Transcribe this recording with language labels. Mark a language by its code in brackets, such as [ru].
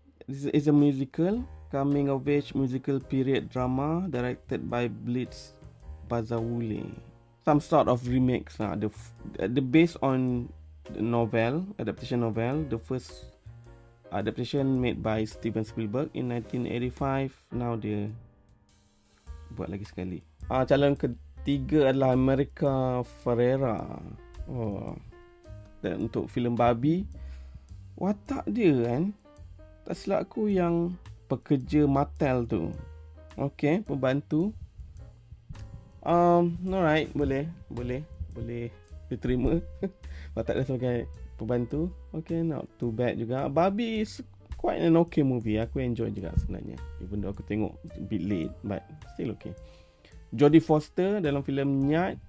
[en] This is a musical, coming of age musical period drama directed by Blitz Bazawule. Some sort of remakes lah. The based on the novel, adaptation novel, the first adaptation made by Steven Spielberg in 1985. [ms] Now dia buat lagi sekali. Calon ketiga adalah America Ferrera. Oh, dan untuk filem Barbie, watak dia kan, tak silap aku yang pekerja Mattel tu. Okay, pembantu. Alright, boleh. Boleh diterima. Watak dia sebagai pembantu. Okay, [en] not too bad [ms] juga. [en] Barbie is quite an okay movie. [ms] Aku enjoy juga sebenarnya. [en] Even though [ms] aku tengok [en] a bit late, but still okay. [ms] Jodie Foster dalam filem Nyat.